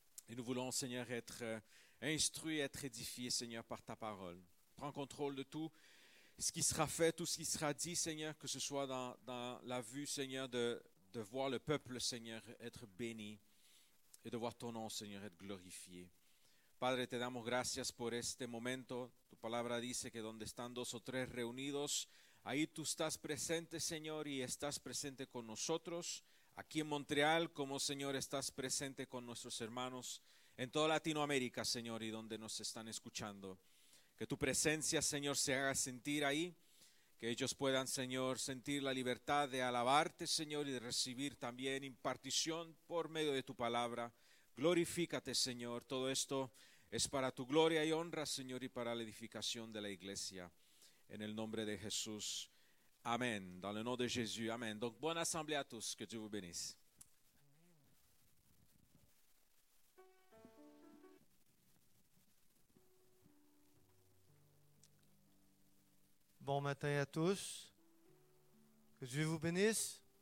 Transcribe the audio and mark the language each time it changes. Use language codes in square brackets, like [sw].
[fr] Et nous voulons, Seigneur, être instruits, être édifiés, Seigneur, par ta parole. Prends contrôle de tout ce qui sera fait, tout ce qui sera dit, Seigneur, que ce soit dans la vue, Seigneur, de voir le peuple, Seigneur, être béni et de voir ton nom, Seigneur, être glorifié. [es] Padre, te damos gracias por este momento. Tu palabra dice que donde están dos o tres reunidos, ahí tú estás presente, Señor, y estás presente con nosotros. Aquí en Montreal, como Señor, estás presente con nuestros hermanos en toda Latinoamérica, Señor, y donde nos están escuchando. Que tu presencia, Señor, se haga sentir ahí. Que ellos puedan, Señor, sentir la libertad de alabarte, Señor, y de recibir también impartición por medio de tu palabra. Glorifícate, Señor. Todo esto es para tu gloria y honra, Señor, y para la edificación de la iglesia. En el nombre de Jesús. Amén. [fr] Dans le nom de Jésus. Amén. Donc, bonne assemblée à tous. Que Dieu vous bénisse. Bon matin à tous. Que Dieu vous bénisse.